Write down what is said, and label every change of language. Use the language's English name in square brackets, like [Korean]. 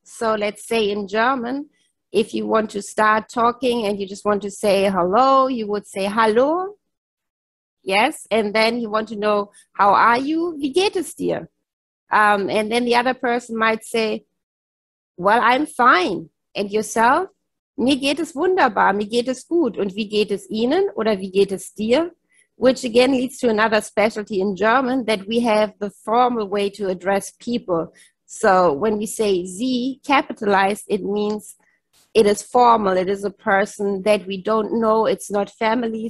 [English] So let's say in German, if you want to start talking and you just want to say hello, you would say hallo. Yes, and then you want to know, how are you? [German] Wie geht es dir? [English] And then the other person might say, well, I'm fine. And yourself? [German] Mir geht es wunderbar, mir geht es gut. Und wie geht es Ihnen? Oder wie geht es dir? [English] Which again leads to another specialty in German, that we have the formal way to address people. So when we say Sie, capitalized, it means it is formal. It is a person that we don't know. It's not family.